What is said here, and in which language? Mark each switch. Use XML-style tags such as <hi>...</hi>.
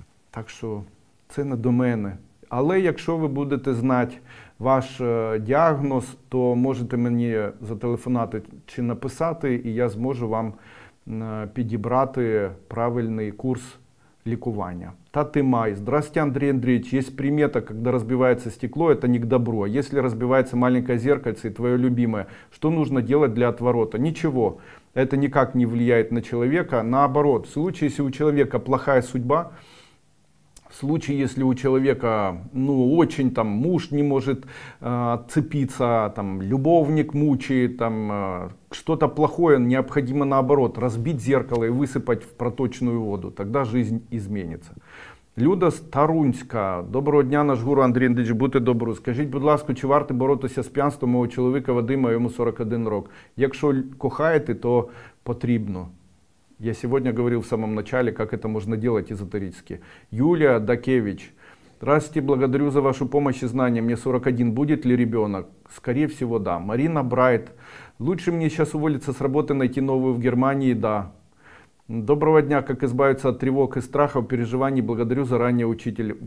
<uk>Так що це не до мене. Але якщо ви будете знати ваш діагноз, то можете мені зателефонувати чи написати, і я зможу вам підібрати правильний курс лікування. Татымай.</uk> <ru>Здравствуйте, Андрей Андреевич. Есть примета, когда разбивается стекло, это не к добру. Если разбивается маленькое зеркальце и твое любимое, что нужно делать для отворота? Ничего. Это никак не влияет на человека. Наоборот, в случае, если у человека плохая судьба, в случае, если у человека, ну, очень там муж не может отцепиться, там любовник мучает, там что-то плохое, необходимо наоборот разбить зеркало и высыпать в проточную воду, тогда жизнь изменится.</ru> <uk>Люда Старунська. Доброго дня, наш гуру Андрій Андрійович, будьте добру. Скажіть, будь ласка, чи варто боротися з п'янством мого чоловіка Вадима, йому 41 рік? Якщо кохаєте, то потрібно. Я сьогодні говорив в самому початку, як це можна робити езотерично. Юлія Дакевич.</uk> <ru>Здравствуйте, благодарю за вашу помощь и знания. Мне 41, будет ли ребенок? Скорее всего, да. Марина Брайт. Лучше мне сейчас уволиться с работы, найти новую в Германии, да.</ru> <uk>Доброго дня,</uk> <ru>как избавиться от тревог и страхов, переживаний? Благодарю заранее, учитель.</ru>